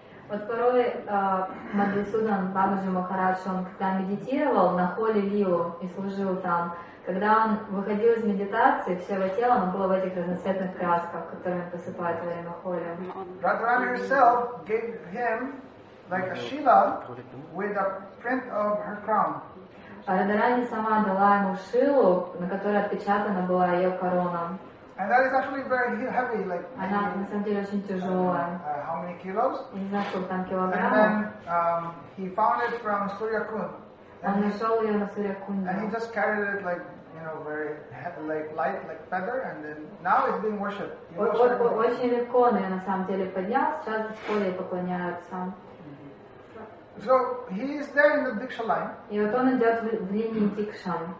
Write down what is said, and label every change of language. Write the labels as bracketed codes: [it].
[ru] Вот порой Мадхусудан Бабаджи Махарадж, он когда медитировал на холе Лилу и служил там, когда он выходил из медитации, все его тело было в этих разноцветных красках, которыми посыпают во время холи. [en] Радхарани herself gave him like a Шила with a print of her crown. [ru] Радхарани сама дала ему Шилу, на которой отпечатана была ее корона. [en] And that is actually very heavy, like. And that, [ru] на самом деле, очень тяжелая. [en] How many kilos? [ru] Я не знаю, сколько там килограммов. [en] And then he found it from Suryakund. [ru] Он нашел ее на Суряккунде. [en] And he just carried it like, you know, very heavy, like light, like feather, and then now it's being worshipped. [ru] Очень легко, но я на самом деле поднял. Сейчас в школе поклоняются. [en] So he is there in the Diksha line. [ru] И вот он идет в линии Дикшан.